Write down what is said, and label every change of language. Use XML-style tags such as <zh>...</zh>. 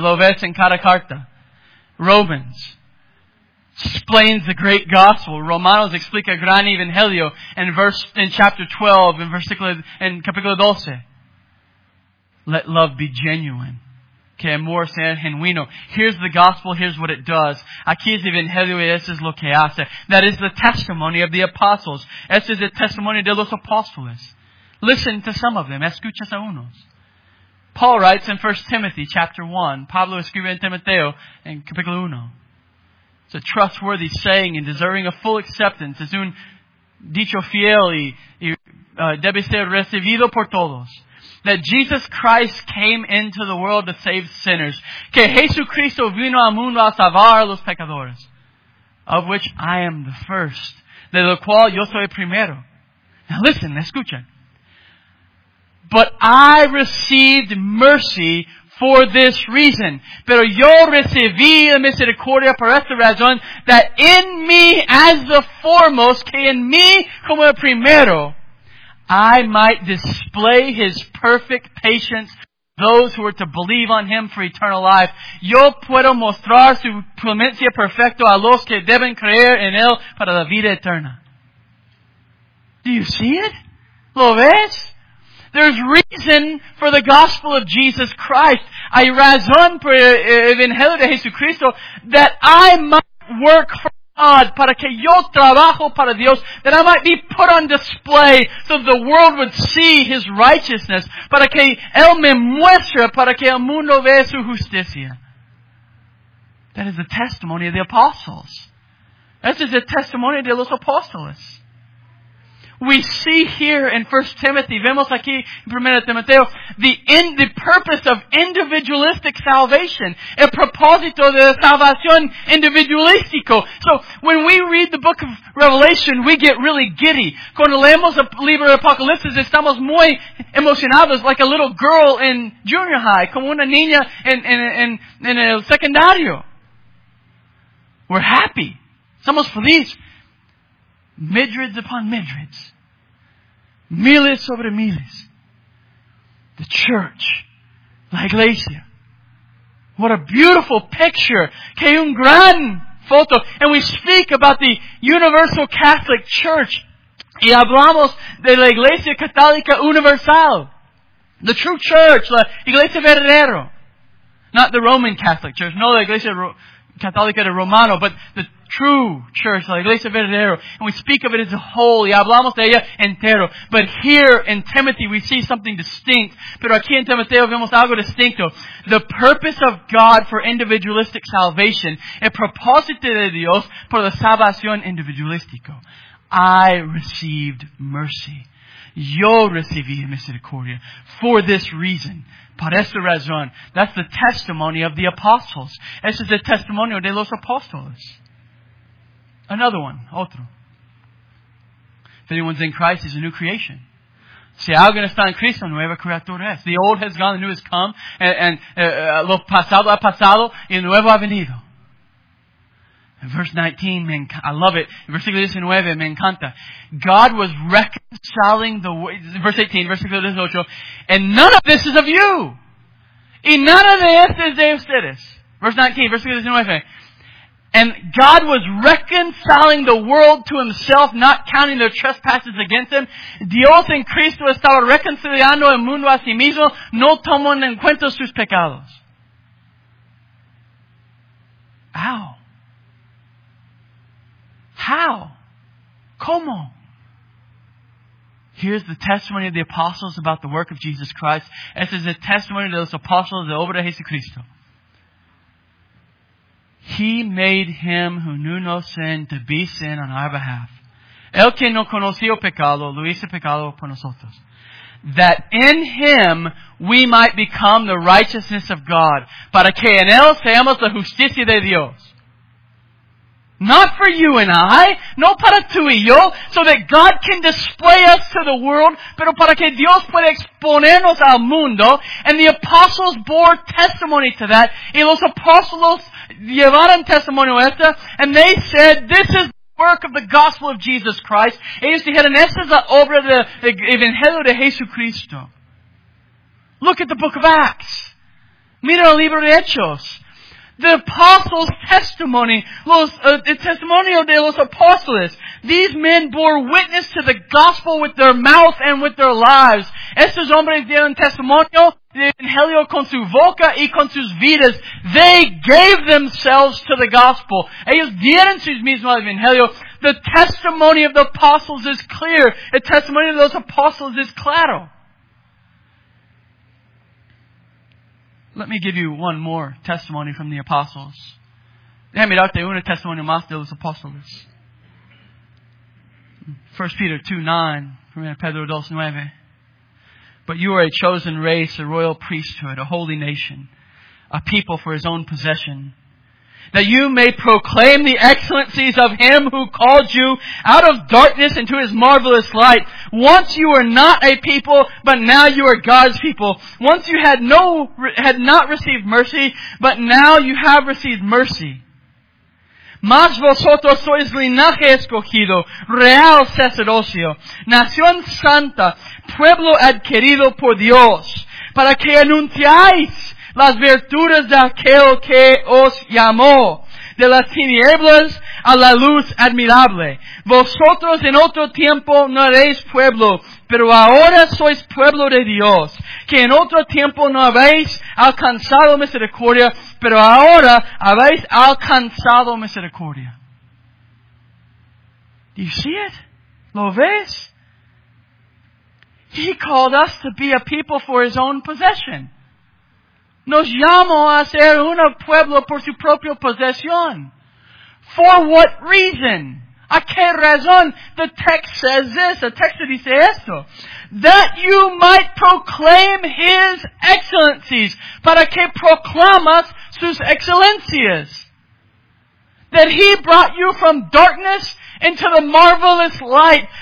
<es>Lo ves en cada carta.</es> <en>Romans explains the great gospel.</en> <es>Romanos explica gran Evangelio</es> <en>in chapter 12,</en> <es>in capítulo 12.</es> <en>Let love be genuine.</en> <es>Que amor sea genuino.</es> <en>Here's the gospel, here's what it does.</en> <es>Aquí es el evangelio y eso es lo que hace.</es> <en>That is the testimony of the apostles.</en> <es>Ese es el testimonio de los apóstoles.</es> <en>Listen to some of them.</en> <es>Escuchas a unos.</es> <en>Paul writes in 1 Timothy chapter 1.</en> <es>Pablo escribe en Timoteo en capítulo 1.</es> <en>It's a trustworthy saying and deserving of full acceptance.</en> <es>Es un dicho fiel y debe ser recibido por todos.</es> <en>That Jesus Christ came into the world to save sinners.</en> <es>Que Jesucristo vino al mundo a salvar a los pecadores.</es> <en>Of which I am the first.</en> <es>De lo cual yo soy primero.</es> <en>Now listen,</en> <es>escuchen.</es> <en>But I received mercy for this reason.</en> <es>Pero yo recibí la misericordia por esta razón.</es> <en>That in me as the foremost,</en> <es>que en mí como el primero,</es> <en>I might display His perfect patience to those who are to believe on Him for eternal life.</en> <es>Yo puedo mostrar su clemencia perfecta a los que deben creer en Él para la vida eterna.</es> <en>Do you see it?</en> <es>¿Lo ves?</es> <en>There's reason for the gospel of Jesus Christ.</en> <es>Hay razón por el evangelio de Jesucristo</es> <en>that I might work for God,</en> <es>para que yo trabajo para Dios,</es> <en>that I might be put on display so the world would see His righteousness,</en> <es>para que Él me muestre, para que el mundo vea su justicia.</es> <en>That is the testimony of the apostles. That is the testimony</en> <es>de los apóstoles.</es> <en>We see here in 1 Timothy,</en> <es>vemos aquí en 1 Timoteo,</es> <en>the purpose of individualistic salvation,</en> <es>el propósito de la salvación individualístico.</es> <en>So, when we read the book of Revelation, we get really giddy.</en> <es>Cuando leemos el libro de Apocalipsis, estamos muy emocionados,</es> <en>like a little girl in junior high,</en> <es>como una niña en el secundario.</es> <en>We're happy.</en> <es>Somos felices.</es> <en>Midrids upon midrids.</en> <es>Miles sobre miles.</es> <en>The church.</en> <es>La iglesia.</es> <en>What a beautiful picture.</en> <es>Que un gran foto.</es> <en>And we speak about the universal Catholic Church.</en> <es>Y hablamos de la iglesia católica universal.</es> <en>The true church.</en> <es>La iglesia verdadero.</es> <en>Not the Roman Catholic Church.</en> <es>No, la iglesia católica de Romano.</es> <en>But the true church,</en> <es>la iglesia verdadera,</es> <en>and we speak of it as holy,</en> <es>hablamos de ella entero.</es> <en>But here in Timothy, we see something distinct.</en> <es>Pero aquí en Timoteo vemos algo distinto.</es> <en>The purpose of God for individualistic salvation,</en> <es>el propósito de Dios por la salvación individualística.</es> <en>I received mercy.</en> <es>Yo recibí misericordia</es> <en>for this reason.</en> <es>Por esta razón,</es> <en>that's the testimony of the apostles.</en> <es>Ese es el testimonio de los apóstoles.</es> <en>Another one,</en> <es>otro.</es> <en>If anyone's in Christ, he's a new creation.</en> <es>Si alguien está en Cristo, nueva criatura es.</es> <en>The old has gone, the new has come, and</en> <es>lo pasado ha pasado, y el nuevo ha venido.</es> <en>In verse 19, me I love it.</en> <es>In versículo 19, me encanta.</es> <en>God was reconciling the world. Verse 18,</en> <es>versículo 18.</es> <en>And none of this is of you.</en> <es>Y none of this es de ustedes.</es> <en>Verse 19,</en> <es>versículo 19.</es> <en>And God was reconciling the world to himself, not counting their trespasses against him.</en> <es>Dios en Cristo estaba reconciliando el mundo a sí mismo, no tomando en cuenta sus pecados. Ow.</es> <en>How?</en> <es>Como?</es> <en>Here's the testimony of the apostles about the work of Jesus Christ.</en> <es>Este es el testimony de los apóstoles de obra de Jesucristo.</es> <en>He made him who knew no sin to be sin on our behalf.</en> <es>El que no conoció pecado, lo hizo pecado por nosotros.</es> <en>That in him we might become the righteousness of God.</en> <es>Para que en él seamos la justicia de Dios.</es> <en>Not for you and I,</en> <es>no para tú y yo,</es> <en>so that God can display us to the world,</en> <es>pero para que Dios pueda exponernos al mundo.</es> <en>And the apostles bore testimony to that,</en> <es>y los apóstolos llevaron testimonio a esto,</es> <en>and they said, this is the work of the gospel of Jesus Christ.</en> <es>Ellos dijeron, esta es la obra del Evangelio de Jesucristo.</es> <en>Look at the book of Acts.</en> <es>Mira el libro de Hechos.</es> <en>The apostles' testimony, the</en> <es>testimonio de los apóstoles.</es> <en>These men bore witness to the gospel with their mouth and with their lives.</en> <es>Estos hombres dieron testimonio del evangelio con su boca y con sus vidas.</es> <en>They gave themselves to the gospel.</en> <es>Ellos dieron sus mismos al evangelio.</es> <en>The testimony of the apostles is clear. The testimony of those apostles is</en> <es>claro.</es> <en>Let me give you one more testimony from the apostles.</en> <es>Déjame darte un testimonio más de los apóstoles.</es> <en>1 Peter 2:9,</en> <es>1 Pedro 2:9.</es> <en>But you are a chosen race, a royal priesthood, a holy nation, a people for his own possession, that you may proclaim the excellencies of him who called you out of darkness into his marvelous light. Once you were not a people, but now you are God's people. Once you had not received mercy, but now you have received mercy.</en> <es>Mas vosotros sois linaje escogido, real sacerdocio, nación santa, pueblo adquirido por Dios, para que anunciáis las virtudes de aquel que os llamó de las tinieblas a la luz admirable. Vosotros en otro tiempo no erais pueblo, pero ahora sois pueblo de Dios, que en otro tiempo no habéis alcanzado misericordia, pero ahora habéis alcanzado misericordia.</es> <en>Do you see it?</en> <es>¿Lo ves?</es> <en>He called us to be a people for his own possession.</en> <es>Nos llamó a ser un pueblo por su propia posesión.</es> <en>For what reason?</en> <es>¿A qué razón?</es> <en>The text says this. The text</en> <es>dice esto.</es> <en>That you might proclaim his excellencies.</en> <es>Para que proclamas sus excelencias.</es> <en>That he brought you from darkness into the marvelous light.</en>